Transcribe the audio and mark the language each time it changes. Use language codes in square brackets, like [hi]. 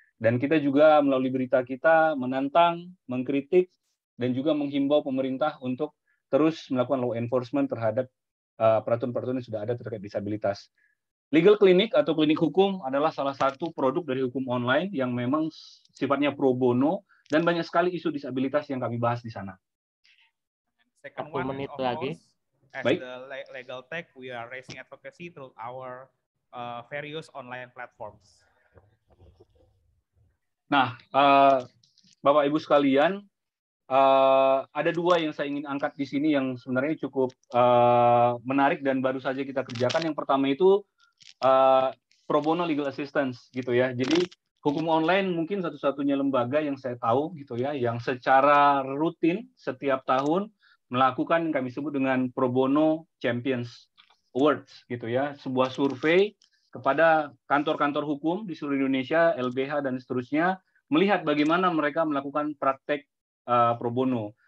[id] Dan kita juga melalui berita kita menantang, mengkritik, dan juga menghimbau pemerintah untuk terus melakukan law enforcement terhadap peraturan-peraturan yang sudah ada terkait disabilitas. Legal clinic atau klinik hukum adalah salah satu produk dari hukum online yang memang sifatnya pro bono, dan banyak sekali isu disabilitas yang kami bahas di sana. [en] Second one, [id] menit lagi. As baik. [en] The legal tech, we are raising advocacy through our various online platforms. [id] Nah, Bapak Ibu sekalian, ada dua yang saya ingin angkat di sini yang sebenarnya cukup menarik dan baru saja kita kerjakan. Yang pertama itu pro bono legal assistance gitu ya. Jadi hukum online mungkin satu-satunya lembaga yang saya tahu gitu ya, yang secara rutin setiap tahun melakukan yang kami sebut dengan pro bono champions awards gitu ya, sebuah survei kepada kantor-kantor hukum di seluruh Indonesia, LBH dan seterusnya, melihat bagaimana mereka melakukan praktek pro bono.